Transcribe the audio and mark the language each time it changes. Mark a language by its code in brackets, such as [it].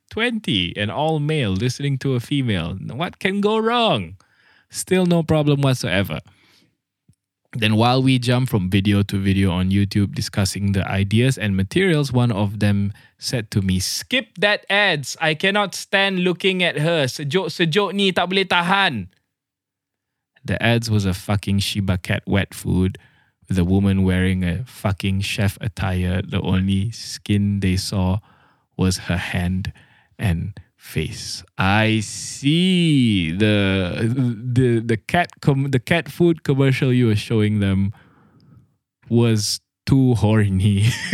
[en] 20 and all male listening to a female. What can go wrong? Still no problem whatsoever. Then while we jump from video to video on YouTube discussing the ideas and materials, one of them said to me, skip that ads. I cannot stand looking at her. [ms] Sejuk-sejuk ni tak boleh tahan. [en] The ads was a fucking Shiba cat wet food with a woman wearing a fucking chef attire. The only skin they saw was her hand and face. I see the cat food commercial you were showing them was too horny.